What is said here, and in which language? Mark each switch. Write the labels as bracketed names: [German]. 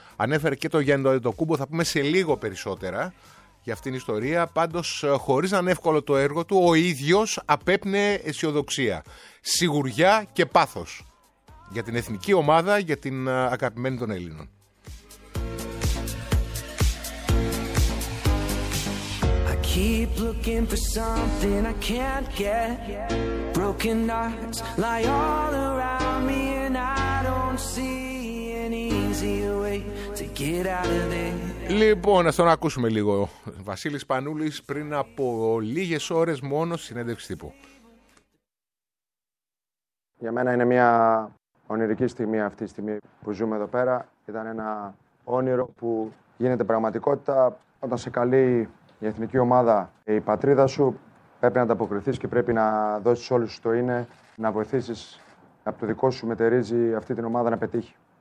[Greek] Ανέφερε και το Γιάννη Αντετοκούνμπο, θα πούμε σε λίγο περισσότερα για αυτήν την ιστορία. Πάντως, χωρίς να είναι εύκολο το έργο του, ο ίδιος απέπνεε αισιοδοξία, σιγουριά και πάθος για την εθνική ομάδα, για την αγαπημένη των Ελλήνων. [English] Keep looking for something I can't get. Broken hearts lie all around me, and I don't see any easy way to get out of there. [Greek] Λοιπόν, ας τον ακούσουμε λίγο. Βασίλης Σπανούλης πριν από λίγες ώρες μόνο συνέντευξη τύπου. Για μένα είναι μια ονειρική στιγμή αυτή τη στιγμή που ζούμε εδώ πέρα. Ήταν ένα όνειρο που γίνεται πραγματικότητα όταν σε καλεί η εθνική ομάδα, η πατρίδα σου, πρέπει να ανταποκριθείς και πρέπει να δώσεις όλους σου το είναι, να βοηθήσεις από το δικό σου μετερίζει αυτή την ομάδα να πετύχει.